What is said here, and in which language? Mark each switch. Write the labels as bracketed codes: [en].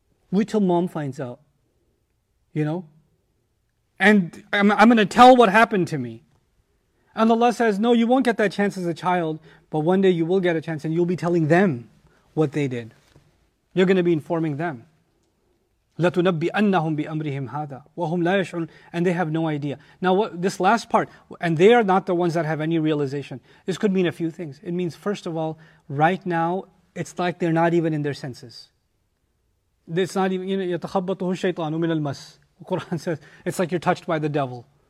[en] Wait till mom finds out. You know? And I'm going to tell what happened to me. And Allah says, no, you won't get that chance as a child, but one day you will get a chance and you'll be telling them what they did. You're going to be informing them. [ar] لَتُنَبِّئَنَّهُمْ بِأَمْرِهِمْ هَذَا وَهُمْ لَا يَشْعُرُونَ [en] And they have no idea. Now, this last part, and they are not the ones that have any realization. This could mean a few things. It means, first of all, right now, it's like they're not even in their senses. It's not even, you know, [ar] يَتَخَبَّطُهُ الشَّيْطَانُ مِنَ الْمَسِ [en] The Quran says, it's like you're touched by the devil.